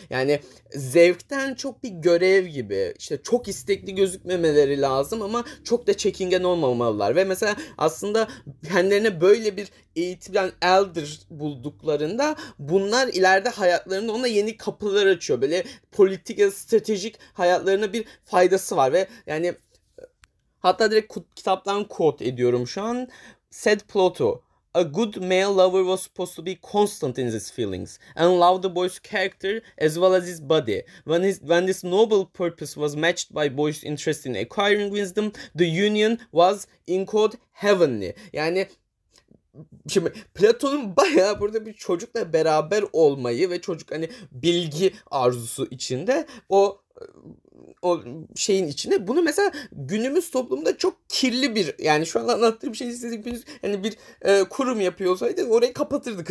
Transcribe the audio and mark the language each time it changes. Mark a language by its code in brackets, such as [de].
[tr] Yani zevkten çok bir görev gibi. İşte çok istekli gözükmemeleri lazım ama çok da çekingen olmamalılar. Ve mesela aslında kendilerine böyle bir eğitilen elder bulduklarında bunlar ileride hayatlarında ona yeni kapılar açıyor. Böyle politik ya stratejik hayatlarına bir faydası var ve yani hatta direkt kitaptan quote ediyorum şu an. [en] Said Plato, "A good male lover was supposed to be constant in his feelings and love the boy's character as well as his body. When this noble purpose was matched by boy's interest in acquiring wisdom, the union was in code heavenly." [tr] Yani şimdi Platon'un bayağı burada bir çocukla beraber olmayı ve çocuk hani bilgi arzusu içinde o şeyin içinde. Bunu mesela günümüz toplumda çok kirli bir yani şu an anlattığım şey sizin hani bir kurum yapıyor olsaydı orayı kapatırdık.